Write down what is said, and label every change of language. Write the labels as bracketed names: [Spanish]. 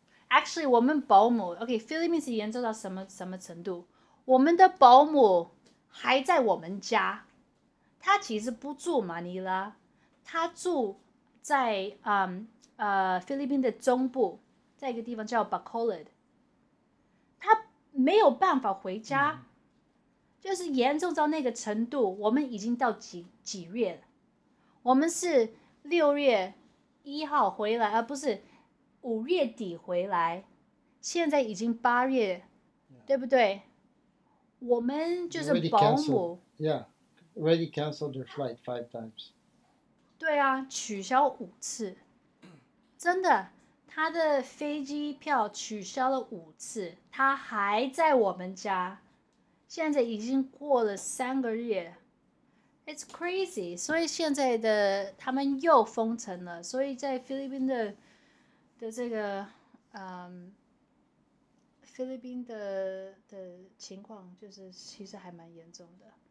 [Chinese] Actually 我们保姆 OK， 菲律宾是严重到什么程度，我们的保姆还在我们家，他其实不住马尼拉，他住在菲律宾的中部，在一个地方叫 Bacolod， 他没有办法回家，就是严重到那个程度。我们已经到几月了？我们是6月1号回来，而不是5月底回来，现在已经8月， yeah. 对不对？我们就是保姆 [English] already canceled their flight 5 times。 [Chinese] 对啊，取消5次。真的，他的飞机票取消了五次，他还在我们家。现在已经过了三个月。 [English] It's crazy. [Chinese] 所以现在的他们又封城了，所以在菲律宾的这个菲律宾的情况就是其实还蛮严重的。